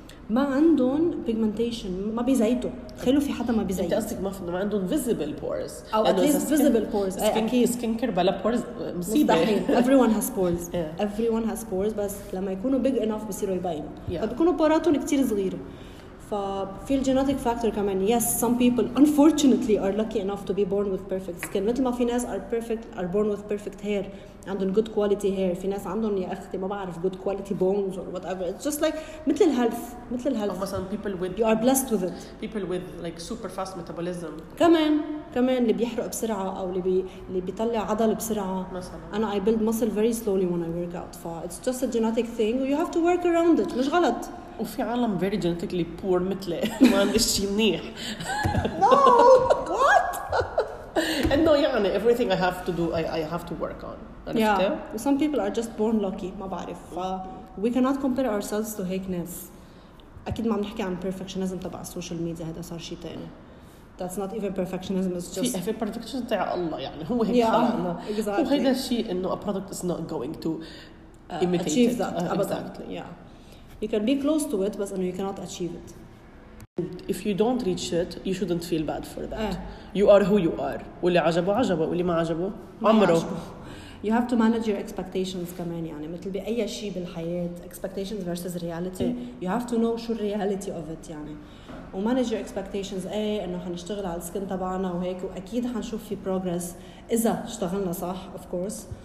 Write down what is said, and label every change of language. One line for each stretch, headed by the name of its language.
Arabic: ما عندهم pigmentation. ما بيزيتوا. خلو في حدا ما بيزيت. انت قصدك ما في ما عندهم
English: visible pores. او at least visible pores. skincare skin بلا pores مصيبة. everyone has pores. yeah. everyone has pores
Arabic: بس لما يكونوا
English: big enough
Arabic: بصيروا يبينوا.
English: yeah.
Arabic: فبيكونوا poratهم كتير صغيرة. ففي الجيناتيك فاكتور كمان.
English: yes some people unfortunately are lucky enough to be born with perfect skin.
Arabic: مثل ما في ناس
English: are born with perfect hair.
Arabic: عندهم
English: good quality hair.
Arabic: في ناس عندهم يا أختي ما بعرف
English: good quality bones or whatever. it's just like
Arabic: مثل الهيلث. مثل الهيلث.
English: مثلا people with you are blessed with it. people with like super fast metabolism.
Arabic: كمان كمان اللي بيحرق بسرعة أو اللي بيطلع عضل بسرعة. مثلا
English: أنا I build muscle very slowly when I work out. فا it's just a genetic thing. you have to work around it.
Arabic: مش غلط. وفي عالم
English: very genetically poor
Arabic: مثلي ما عندي شيء منيح.
English: no what and no يعني everything I have to do I have to work on. yeah some people are just born lucky.
Arabic: ما بعرف.
English: we cannot compare ourselves to hackness.
Arabic: أكيد ما عم نحكي عن perfectionism تبع السوشيال ميديا. هذا صار شيء تاني.
English: that's not even perfectionism. it's just
Arabic: في perfectionism تاع الله يعني هو هيك خلقنا.
English: yeah exactly.
Arabic: وهذا الشيء إنه
English: a product is not going to imitate achieve that. exactly. yeah You can be close to it, but you cannot achieve it. If you don't reach it, you shouldn't feel bad for that. You are who you are.
Arabic: واللي عجبه عجبه واللي ما عجبه عمره.
English: You have to manage your expectations
Arabic: كمان يعني. مثل بأي شيء بالحياة.
English: Expectations versus reality. You have to know شو reality of it يعني. ومانج your expectations.
Arabic: ايه انه حنشتغل على السكن تبعنا وهيك. وأكيد حنشوف في progress إذا اشتغلنا صح
English: of course.